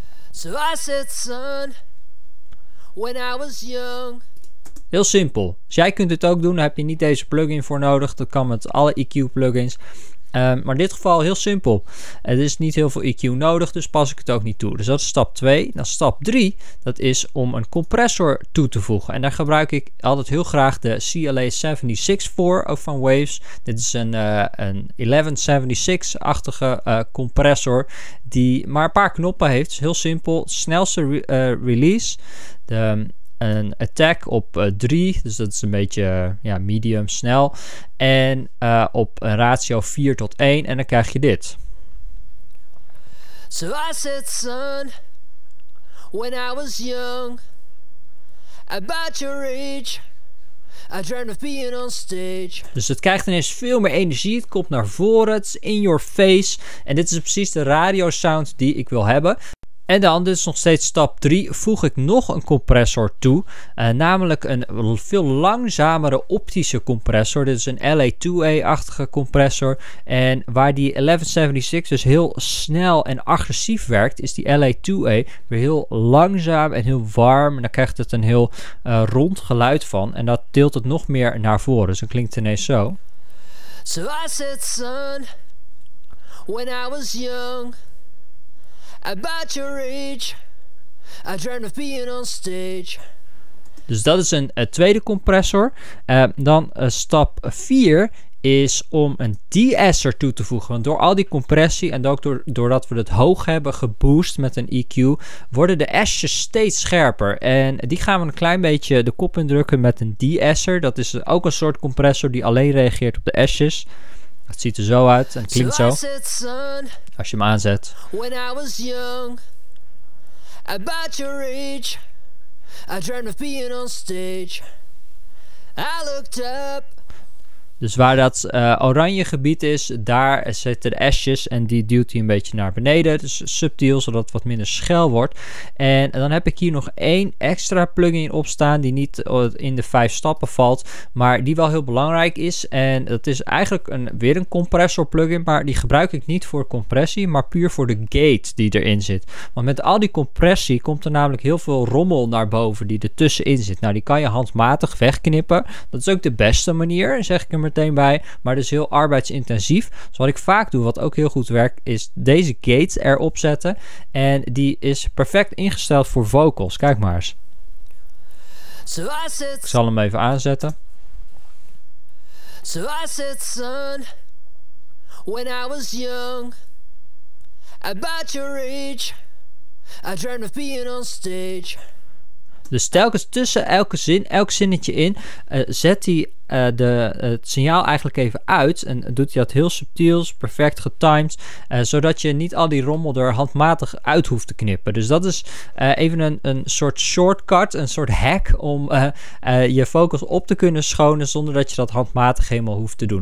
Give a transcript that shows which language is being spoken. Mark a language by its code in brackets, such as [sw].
[en] So I said, son, when I was young. [nl] Heel simpel. Dus jij kunt het ook doen. Dan heb je niet deze plugin voor nodig. Dat kan met alle EQ plugins. Maar in dit geval heel simpel. Er is niet heel veel EQ nodig, dus pas ik het ook niet toe. Dus dat is stap 2. Dan stap 3, dat is om een compressor toe te voegen. En daar gebruik ik altijd heel graag de CLA 76 voor, ook van Waves. Dit is een 1176-achtige compressor die maar een paar knoppen heeft. Dus heel simpel. Snelste release. Een attack op 3, dus dat is een beetje medium snel. En op een ratio 4 tot 1 en dan krijg je dit. [en] So I said, son, when I was young, about your age, I dreamt of being on stage. [nl] Dus het krijgt ineens veel meer energie. Het komt naar voren, het is [en] in your face. [nl] En dit is precies de radio sound die ik wil hebben. En dan, dit is nog steeds stap 3, voeg ik nog een compressor toe. Namelijk een veel langzamere optische compressor. Dit is een LA-2A-achtige compressor. En waar die 1176 dus heel snel en agressief werkt, is die LA-2A weer heel langzaam en heel warm. En dan krijgt het een heel rond geluid van. En dat tilt het nog meer naar voren. Dus dan klinkt het ineens zo. [en] So I said, son, when I was young, about your age, I dreamt of being on stage. [nl] Dus dat is een tweede compressor. Dan stap 4 is om een de-esser toe te voegen. Want door al die compressie en ook doordat we het hoog hebben geboost met een EQ, worden de S's steeds scherper. En die gaan we een klein beetje de kop indrukken met een de-esser. Dat is ook een soort compressor die alleen reageert op de S's. Het ziet er zo uit en klinkt zo. Als je hem aanzet. [en] When I was young, about your age, I dreamed of being on stage. I looked up. [nl] Dus waar dat oranje gebied is, daar zitten de S's en die duwt hij een beetje naar beneden. Dus subtiel, zodat het wat minder schel wordt. En dan heb ik hier nog één extra plugin op staan die niet in de 5 stappen valt, maar die wel heel belangrijk is. En dat is eigenlijk weer een compressor plugin, maar die gebruik ik niet voor compressie, maar puur voor de gate die erin zit. Want met al die compressie komt er namelijk heel veel rommel naar boven die er tussenin zit. Nou, die kan je handmatig wegknippen. Dat is ook de beste manier, zeg ik er meteen bij, maar dus heel arbeidsintensief. Dus wat ik vaak doe, wat ook heel goed werkt, is deze gate erop zetten en die is perfect ingesteld voor vocals. Kijk maar eens. Ik zal hem even aanzetten. [en] So I said, son, when I was young, about your age, I dreamed of being on stage. [nl] Dus telkens tussen elke zin, elk zinnetje in, zet hij het signaal eigenlijk even uit. En doet hij dat heel subtiel, perfect getimed. Zodat je niet al die rommel er handmatig uit hoeft te knippen. Dus dat is even een soort shortcut, een soort hack om je vocals op te kunnen schonen zonder dat je dat handmatig helemaal hoeft te doen.